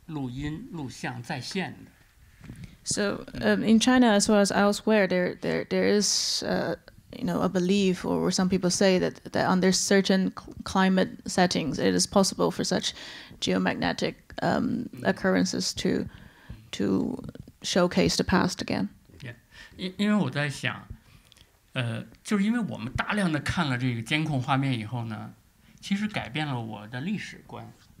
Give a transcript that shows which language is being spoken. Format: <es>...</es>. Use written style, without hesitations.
<zh>所以呢，在中国呢有这个说法，或者说在别的文化里也有这个说法，就是说，在某种的天气的情况下呢，历史上发生过的事情呢，是可以由这个地磁录音录像再现的。</zh> <en>So in China as well as elsewhere, there is a belief, or some people say that under certain climate settings, it is possible for such geomagnetic occurrences to showcase the past again.</en> <zh>Yeah, 因为我在想，就是因为我们大量的看了这个监控画面以后呢，其实改变了我的历史观。</zh>